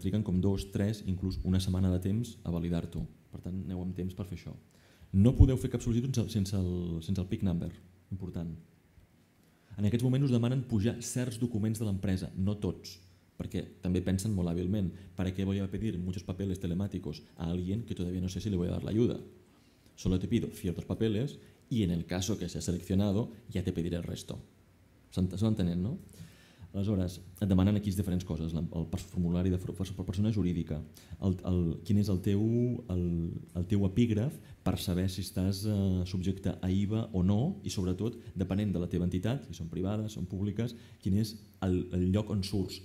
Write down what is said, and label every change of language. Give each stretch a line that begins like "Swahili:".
Catalan: Triguen com 2, 3, inclús una setmana de temps a validar-t'ho. Per tant, aneu amb temps per fer això. No podeu fer cap sol·licitud sense el PIC number. Important. En aquests moments us demanen pujar certs documents de l'empresa, no tots, perquè també pensen molt hàbilment.
Spanish: ¿Para qué voy a pedir muchos papeles telemáticos a alguien que todavía no sé si le voy a dar la ayuda? Solo te pido ciertos papeles y en el caso que sea seleccionado ya te pediré el resto.
Catalan: S'ho entenen, no? Aleshores, et demanen aquí diferents coses. El formulari de persona jurídica, quin és el teu epígraf per saber si estàs subjecte a IVA o no, i sobretot, depenent de la teva entitat, si són privades, són públiques, quin és el lloc on surts.